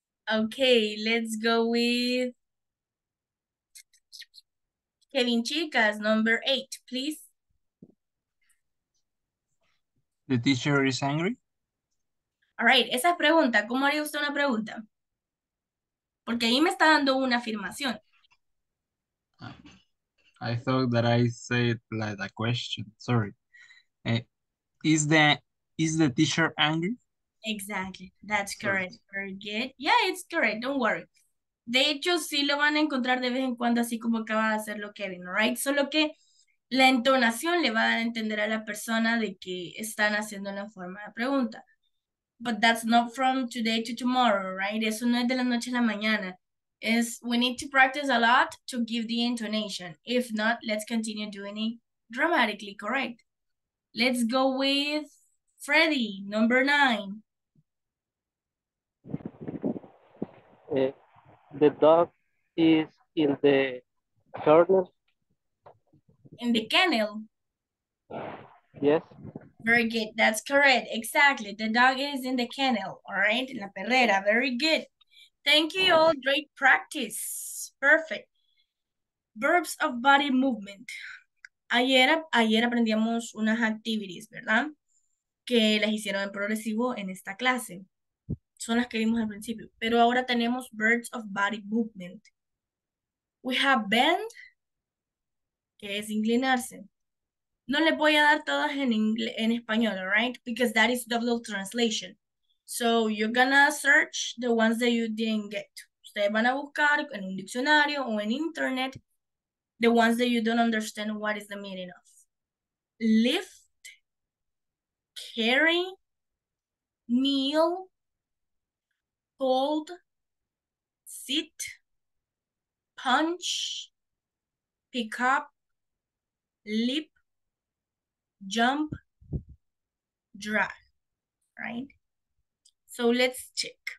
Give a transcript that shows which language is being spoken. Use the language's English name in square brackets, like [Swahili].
[English] Okay, let's go with Kevin Chicas, number eight, please. The teacher is angry. All right, [Spanish] esa pregunta, ¿cómo haría usted una pregunta? Porque ahí me está dando una afirmación. [English] I thought that I said like a question, sorry. Is the teacher angry? Exactly, that's correct. Very good. Yeah, it's correct, don't worry. [Spanish] De hecho, sí lo van a encontrar de vez en cuando, así como acaba de hacerlo Kevin, right? Solo que la entonación le va a dar a entender a la persona de que están haciendo la forma de pregunta. [English] But that's not from today to tomorrow, right? [Spanish] Eso no es de la noche a la mañana. [English] Is we need to practice a lot to give the intonation. If not, let's continue doing it grammatically correct. Let's go with Freddy, number nine. The dog is in the kennel. In the kennel? Yes. Very good. That's correct. Exactly. The dog is in the kennel. All right. La perrera. Very good. Thank you all. Great practice. Perfect. Verbs of body movement. [Spanish] Ayer aprendíamos unas activities, ¿verdad? Que las hicieron en progresivo en esta clase. Son las que vimos al principio. Pero ahora tenemos [English] verbs of body movement. We have bend, [Spanish] que es inclinarse. No le voy a dar todas en español, right? [English] Because that is double translation. So you're gonna search the ones that you didn't get. [Spanish] Ustedes van a buscar en un diccionario o en internet [English] the ones that you don't understand what is the meaning of. Lift, carry, kneel, hold, sit, punch, pick up, leap, jump, drag, right? So let's check.